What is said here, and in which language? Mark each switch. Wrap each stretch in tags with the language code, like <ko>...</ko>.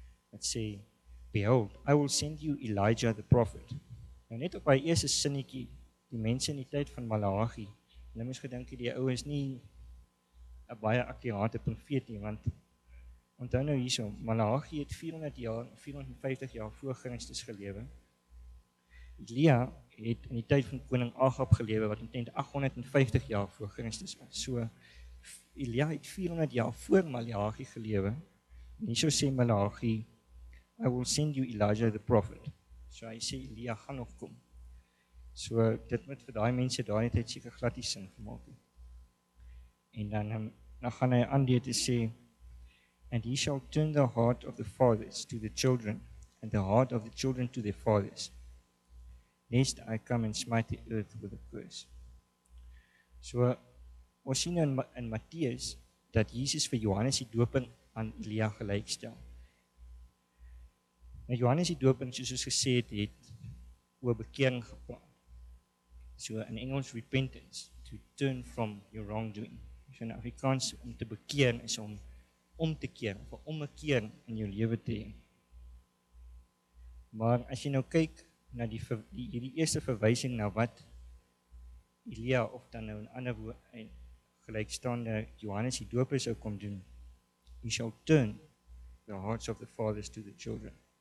<af>Dit sê,</af> <en>Behold, I will send you Elijah the prophet.</en> <af>Nou net op hy eerste sinnetjie, die mense in die tyd van Maleagi, hulle moes gedink die ou is nie 'n baie akkurate profeet nie, want onthou nou hierso, Maleagi het 450 jaar voor Christus gelewe. Elia het in die tyd van koning Agab gelewe wat omtrent 850 jaar voor Christus was. So Elia het 400 jaar voor Maleagi gelewe. En hierso sê</af> <en>Maleagi, I will send you Elijah the prophet.</en> <af>So hy sê, Elia gaan nog kom. So dit moet vir daai mense daai tyd seker glad nie sin gemaak het. En dan gaan hy aan deur te sê,</af> <en>And he shall turn the heart of the fathers to the children, and the heart of the children to their fathers, lest I come and smite the earth with a curse.</en> <af>So ons sien in Matteus, dat Jesus vir Johannes die Doper aan Elia gelykstel. Nou, Johannes die Doper, soos ons gesê het, het oor bekering gepraat. So in Engels</af> <en>repentance, to turn from your wrongdoing.</en> <af>So in Afrikaans om te bekeer is om te keer, of om 'n keer in jou lewe te hê. Maar as jy nou kyk na die eerste verwysing na wat Elia of dan nou in ander woorde gelykstaande Johannes die Doper sou kom doen,</af> <en>he shall turn the hearts of the fathers to the children.</en>